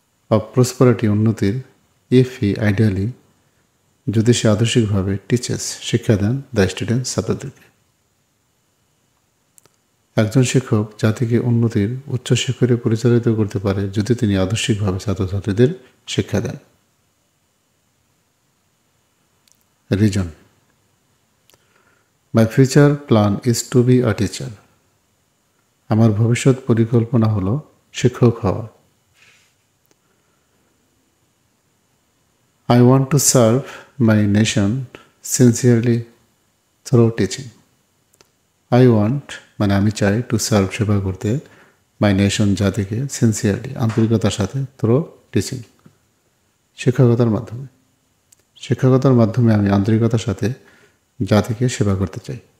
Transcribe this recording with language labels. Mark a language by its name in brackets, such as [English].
[English] a prosperity [Bangla] উন্নতির, [English] if he ideally [Bangla] যদি সে আদর্শিকভাবে [English] teachers [Bangla] শিক্ষা দেন [English] the student [Bangla] ছাত্রদেরকে, একজন শিক্ষক জাতিকে উন্নতির উচ্চ শিখরে পরিচালিত করতে পারে যদি তিনি আদর্শিকভাবে ছাত্রছাত্রীদের শিক্ষা দেন। [English] Reason. My future plan is to be a teacher, [Bangla] আমার ভবিষ্যৎ পরিকল্পনা হলো শিক্ষক হওয়া। [English] I want to serve my nation sincerely through teaching. I want, [Bangla] মানে আমি চাই, [English] to serve, [Bangla] সেবা করতে, [English] my nation [Bangla] জাতিকে [English] sincerely, [Bangla] আন্তরিকতার সাথে, [English] through teaching, [Bangla] শিক্ষকতার মাধ্যমে আমি আন্তরিকতার সাথে জাতিকে সেবা করতে চাই।